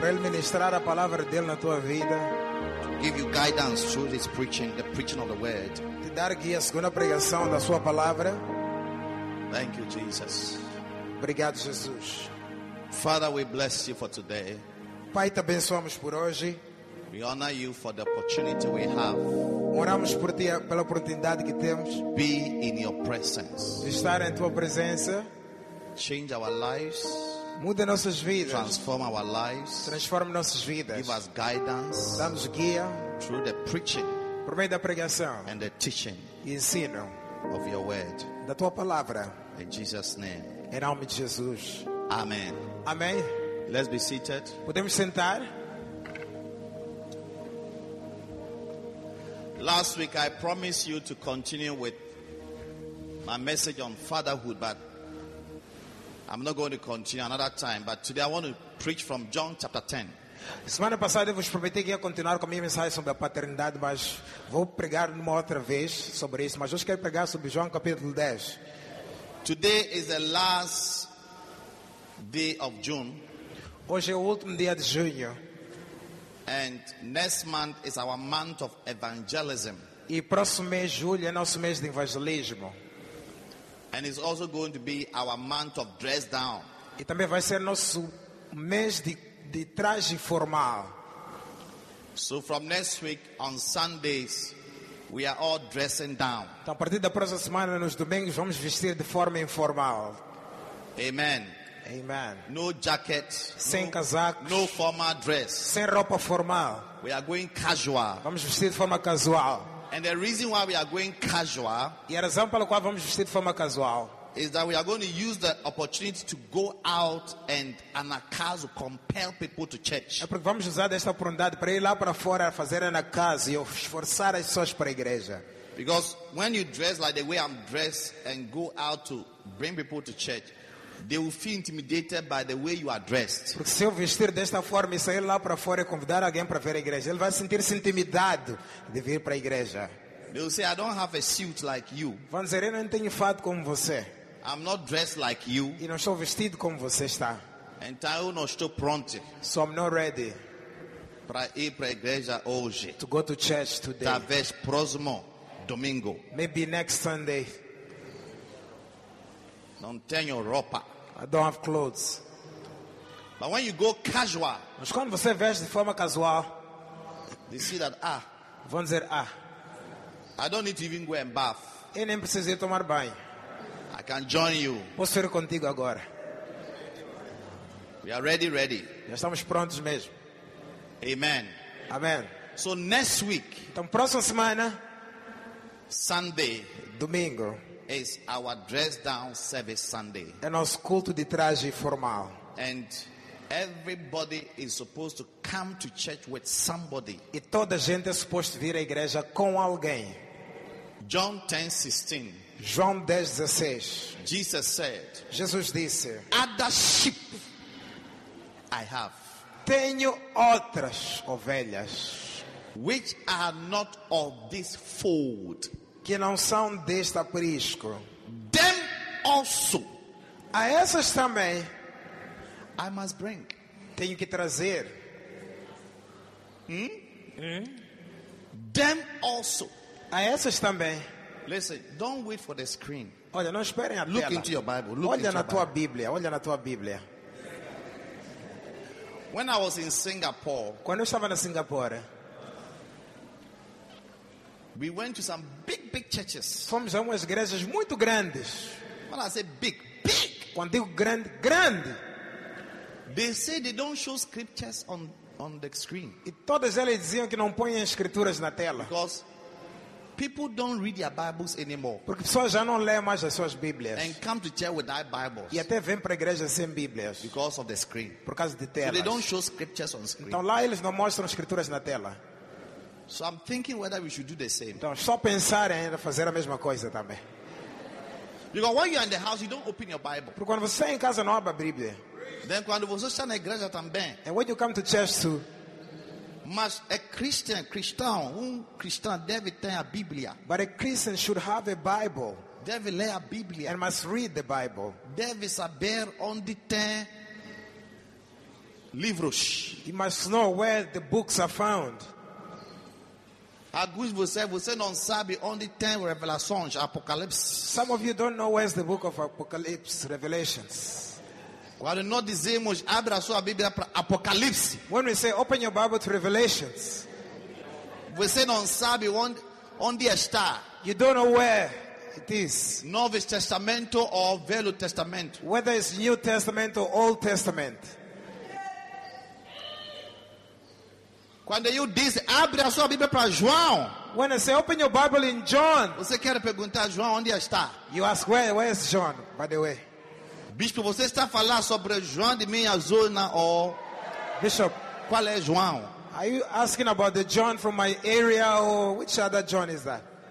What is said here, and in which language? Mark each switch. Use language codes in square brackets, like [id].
[pt] Para Ele ministrar a palavra dEle na tua vida. [en] Give you guidance through this preaching, the preaching of the word. [pt] Te dar guia segundo a pregação da sua palavra. [en] Thank you, Jesus. [pt] Obrigado, Jesus. [en] Father, we bless you for today. [pt] Pai, te abençoamos por hoje. [en] We honor you for the opportunity we have. [pt] Oramos por ti pela oportunidade que temos. [en] Be in your presence. [pt] De estar em tua presença. [en] Change our lives. [pt] Muda nossas vidas. [en] Transform our lives. [pt] Transforme nossas vidas. [en] Give us guidance. [pt] Dá-nos guia. [en] Through the preaching. [pt] Por meio da pregação. [en] And the teaching. [pt] E ensino. [en] Of your word. [pt] Da tua palavra. [en] In Jesus' name. [pt] Em nome de Jesus. [en] Amen. [pt] Amém. [en] Let's be seated. [pt] Podemos sentar. [en] Last week I promised you to continue with my message on fatherhood, but I'm not going to continue another time, but today I want to preach from John chapter 10. [pt] Semana passada eu vos prometi que ia continuar com a minha mensagem sobre a paternidade, mas vou pregar uma outra vez sobre isso, mas hoje quero pregar sobre João capítulo 10. [en] Today is the last day of June. [pt] Hoje é o último dia de junho. [en] And next month is our month of evangelism. [pt] E próximo mês, julho, é nosso mês de evangelismo. [en] And it's also going to be our month of dress down. [pt] E também vai ser nosso mês de traje formal. [en] So from next week on Sundays we are all dressing down. [pt] Então a partir da próxima semana nos domingos vamos vestir de forma informal. [en] Amen. [pt] Amen. [en] No jacket. [pt] Sem casacos. [en] No formal dress. [pt] Sem roupa formal. [en] We are going casual. [pt] Vamos vestir de forma casual. [en] And the reason why we are going casual, [pt] e a razão pela qual vamos vestir de forma casual, [en] is that we are going to use the opportunity to go out and an acaso compel people to church. [pt] É porque vamos usar esta oportunidade para ir lá para fora fazer an acaso e forçar as pessoas para a igreja. [en] Because when you dress like the way I'm dressed and go out to bring people to church, they will feel intimidated by the way you are dressed. [pt] Porque se eu vestir desta forma e sair lá para fora e convidar alguém para ver a igreja, ele vai sentir-se intimidado de vir para a igreja. [en] They will say, I don't have a suit like you. [pt] Vão dizer, eu não tenho fato como você. [en] I'm not dressed like you. [pt] E não estou vestido como você está. Então eu não estou pronto. [en] So I'm not ready. [pt] Para ir para a igreja hoje. [en] To go to church today. [pt] Talvez próximo domingo. [en] Maybe next Sunday. [pt] Não tenho roupa. [en] I don't have clothes. But when you go casual, [pt] mas quando você veste de forma casual, [en] they see that, ah, [pt] vão dizer, ah, [en] I don't need to even go and bath. [pt] Eu nem preciso ir tomar banho. [en] I can join you. [pt] Posso ir contigo agora. [en] We are ready, ready. [pt] Já estamos prontos mesmo. [en] Amen. [pt] Amen. [en] So next week, [pt] então próxima semana, [en] Sunday, [pt] domingo, [en] is our dress down service Sunday. [pt] É nosso culto de traje formal. [en] And everybody is supposed to come to church with somebody. [pt] E toda a gente é suposto vir à igreja com alguém. [en] John 10:16. [pt] João 10:16. [en] Jesus said. [pt] Jesus disse. [en] Other sheep I have. [pt] Tenho outras ovelhas. [en] Which are not of this fold. [pt] Que não são deste aprisco. [en] Them also, [pt] a essas também, [en] I must bring. [pt] Tenho que trazer. [en] Them also, [pt] a essas também. [en] Listen, don't wait for the screen. [pt] Olha, não esperem a tela. [en] Look into your Bible. Look [pt] olha [en] into [pt] na tua Bíblia. Olha na tua Bíblia. [en] When I was in Singapore, [pt] quando eu estava na Singapura, [en] we went to some big churches. [pt] Fomos a umas igrejas muito grandes. [en] When I say big, big. [pt] Quando digo grande, grande. [en] They say they don't show scriptures on the screen. [pt] E todas elas diziam que não põem escrituras na tela. [en] Because people don't read their Bibles anymore. [pt] Porque pessoas já não leem mais as suas Bíblias. [en] And come to church without Bibles. [pt] E até vêm para a igreja sem Bíblias. [en] Because of the screen. [pt] Por causa de telas. [en] So they don't show scriptures on screen. [pt] Então lá eles não mostram escrituras na tela. [en] So I'm thinking whether we should do the same. [pt] Então só pensar em fazer a mesma coisa também. [en] Because when you're in the house, you don't open your Bible. [pt] Porque quando você está em casa não abre a Bíblia. [en] Then [pt] quando você está na igreja também. [en] And when you come to church too. [pt] Mas [en] a Christian, [pt] cristão, cristão deve ter a Bíblia. [en] But a Christian should have a Bible. [pt] Deve ler a Bíblia. [en] And must read the Bible. [pt] Deve saber onde tem livros. [en] He must know where the books are found. [pt] Alguns de vocês, você não sabe onde tem revelações, Apocalipse. [en] Some of you don't know where's the book of Apocalypse, Revelations. [pt] Quando nós dizemos, abre a sua Bíblia para Apocalipse. [en] When we say, open your Bible to Revelations. [pt] Você não sabe onde está. [en] You don't know where it is. [pt] Novo Testamento ou Velho Testamento. [en] Whether it's New Testament or Old Testament. [pt] Quando eu disse, abre a sua Bíblia para João. [en] When I say, open your Bible in John. [pt] Você quer perguntar, João, onde está? [en] You ask, where is John, by the way? [pt] Bispo, você está falando sobre João de minha zona ou... [en] Bishop. [pt] Qual é João? [en] Are you asking about the John from my area or which other John is that?